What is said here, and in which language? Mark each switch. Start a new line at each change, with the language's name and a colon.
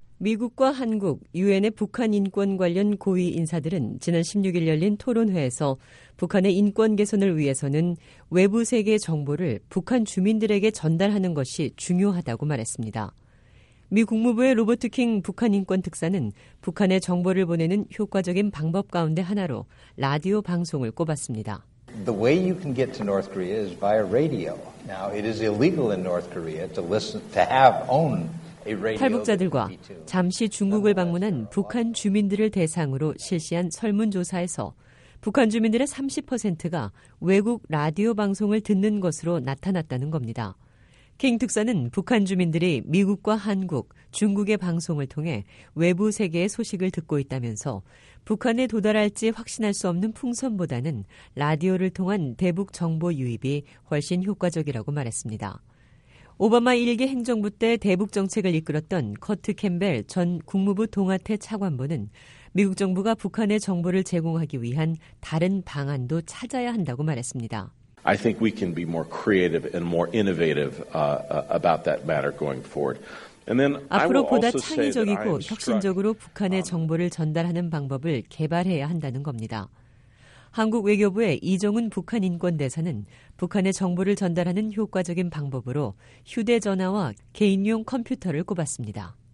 Korean: 미국과 한국, 유엔의 북한인권 관련 고위 인사들은 지난 16일 열린 토론회에서 북한의 인권 개선을 위해서는 외부 세계 정보를 북한 주민들에게 전달하는 것이 중요하다고 말했습니다. 미 국무부의 로버트 킹 북한인권특사는 북한에 정보를 보내는 효과적인 방법 가운데 하나로 라디오 방송을 꼽았습니다.
English: The way you can get to North Korea is via radio. Now, it is illegal in North Korea to listen to have own a radio.
Korean: 탈북자들과 잠시 중국을 방문한 북한 주민들을 대상으로 실시한 설문조사에서 북한 주민들의 30%가 외국 라디오 방송을 듣는 것으로 나타났다는 겁니다. 킹 특사는 북한 주민들이 미국과 한국, 중국의 방송을 통해 외부 세계의 소식을 듣고 있다면서 북한에 도달할지 확신할 수 없는 풍선보다는 라디오를 통한 대북 정보 유입이 훨씬 효과적이라고 말했습니다. 오바마 1기 행정부 때 대북 정책을 이끌었던 커트 캠벨 전 국무부 동아태 차관보는 미국 정부가 북한에 정보를 제공하기 위한 다른 방안도 찾아야 한다고 말했습니다.
English: I think we can be more creative and more innovative about that matter going forward. And then
Korean: 앞으로 보다 창의적이고 혁신적으로 북한의 정보를 전달하는 방법을 개발해야 한다는 겁니다. 한국 외교부의 이정훈 북한인권대사는 북한의 정보를 전달하는 효과적인 방법으로 휴대전화와 개인용 컴퓨터를 꼽았습니다.